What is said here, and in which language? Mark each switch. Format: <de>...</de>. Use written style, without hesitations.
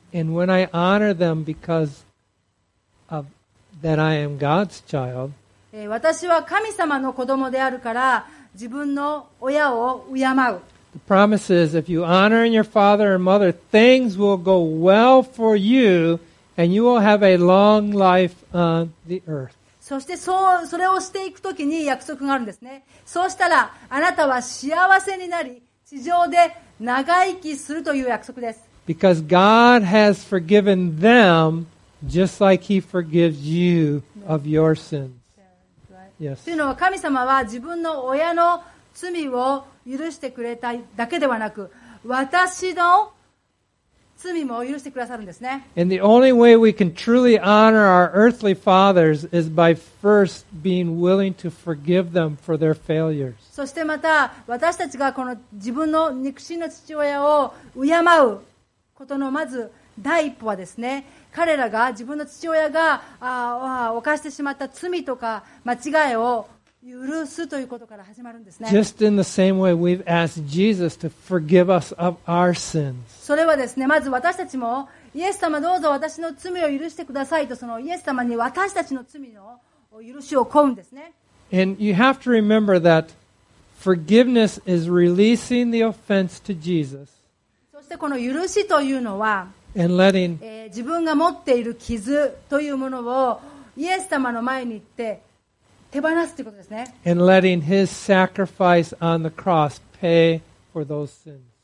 <en>And when I honor them because of that I am God's child,</en> <ja>私は神様の子供であるから自分の親を敬う。</ja> <en>The promise is if you honor your father and mother, things will go well for you and you will have a long life on the earth.</en> <ja>そしてそれをしていくときに約束があるんですね。そうしたらあなたは幸せになり地上で長生きするという約束です。</ja> <en>Because God has forgiven them just like He forgives you of your sins. Yes.</en> <ja>というのは神様は自分の親の罪を許してくれただけではなく私の罪も許してくださるんですね。</ja> <en>And the only way we can truly honor our earthly fathers is by first being willing to forgive them for their failures.</en> <ja>そしてまた私たちがこの自分の肉親の父親を敬うことのまず第一歩はですね、彼らが自分の父親が犯してしまった罪とか間違いを許すということから始まるんですね。</ja> <en>Just in the same way we've asked Jesus to forgive us of our sins.</en> <ja>それはですね、まず私たちもイエス様どうぞ私の罪を許してくださいとそのイエス様に私たちの罪の許しを請うんですね。</ja> <en>And you have to remember that forgiveness is releasing the offense to Jesus.</en> <ja>そしてこの許しというのは。</ja> <en>And letting,</en> <ja>自分が持っている傷というものをイエス様の前に行って手放すということですね。</ja> <en>And letting his sacrifice on the cross pay for those sins.</en>